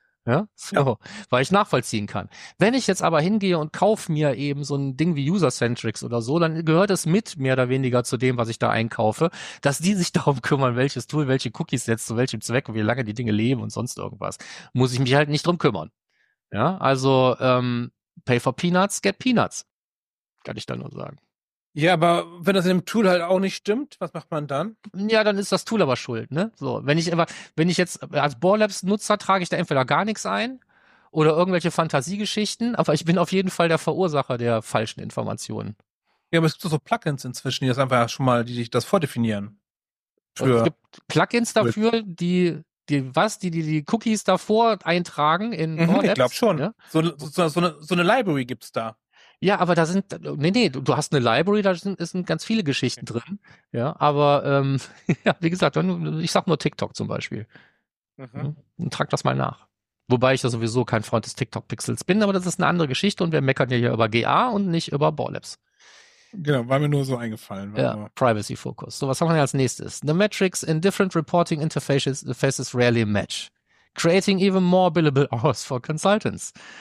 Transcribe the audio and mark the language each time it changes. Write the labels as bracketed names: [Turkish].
[German] Ja, so, weil ich nachvollziehen kann. Wenn ich jetzt aber hingehe und kaufe mir eben so ein Ding wie User-Centrics oder so, dann gehört es mit mehr oder weniger zu dem, was ich da einkaufe, dass die sich darum kümmern, welches Tool, welche Cookies setzt, zu welchem Zweck, wie lange die Dinge leben und sonst irgendwas. Muss ich mich halt nicht drum kümmern. Ja, also [English] pay for peanuts, get peanuts. [German] Kann ich da nur sagen. Ja, aber wenn das in dem Tool halt auch nicht stimmt, was macht man dann? Ja, dann ist das Tool aber schuld, ne? So, wenn ich jetzt als Borlabs-Nutzer trage ich da entweder gar nichts ein oder irgendwelche Fantasiegeschichten, aber ich bin auf jeden Fall der Verursacher der falschen Informationen. Ja, aber es gibt so Plugins inzwischen, die das einfach schon mal, die sich das vordefinieren. Es gibt Plugins dafür, die Cookies davor eintragen in Borlabs. Ich glaube schon. Ja? So eine Library gibt's da. Ja, aber da sind, du hast eine Library, da sind ganz viele Geschichten drin. Ja, aber wie gesagt, ich sag nur TikTok zum Beispiel. Mhm. Ja, und trag das mal nach. Wobei ich ja sowieso kein Freund des TikTok-Pixels bin, aber das ist eine andere Geschichte und wir meckern ja hier über GA und nicht über Borlabs. Genau, war mir nur so eingefallen. Ja, Privacy Focus. So, was haben wir denn als nächstes? [English] The metrics in different reporting interfaces rarely match. Creating even more billable hours for consultants.